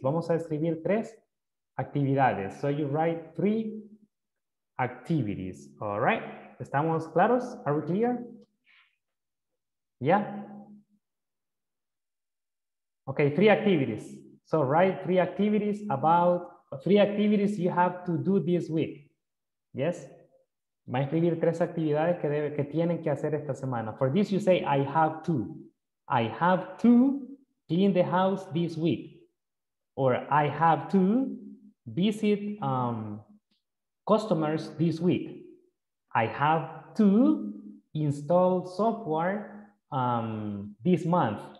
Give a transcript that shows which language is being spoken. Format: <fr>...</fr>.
<es>Vamos a escribir tres actividades.</es> <en>So you write three activities, all right?</en> <es>¿Estamos claros?</es> <en>Are we clear? Yeah? Okay, three activities. So write three activities about three activities you have to do this week. Yes?</en> <es>Va a escribir tres actividades que debe, que tienen que hacer esta semana.</es> <en>For this you say, I have to. I have to clean the house this week. Or I have to visit customers this week. I have to install software this month.</en>